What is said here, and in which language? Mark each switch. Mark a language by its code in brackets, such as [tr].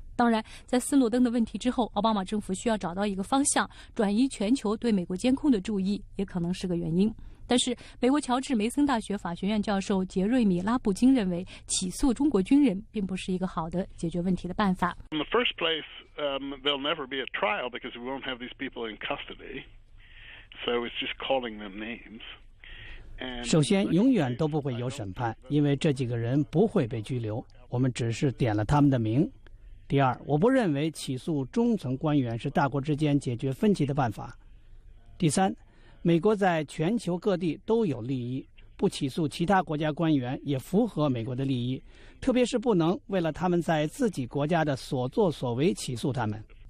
[zh] 当然，在斯诺登的问题之后，奥巴马政府需要找到一个方向，转移全球对美国监控的注意，也可能是个原因。但是，美国乔治梅森大学法学院教授杰瑞米·拉布金认为，起诉中国军人并不是一个好的解决问题的办法。 [en] In the first place, there'll never be a trial because we won't have these people in custody, so it's just calling them names. [zh] 首先，永远都不会有审判，因为这几个人不会被拘留，我们只是点了他们的名。第二，我不认为起诉中层官员是大国之间解决分歧的办法。第三，美国在全球各地都有利益，不起诉其他国家官员也符合美国的利益，特别是不能为了他们在自己国家的所作所为起诉他们。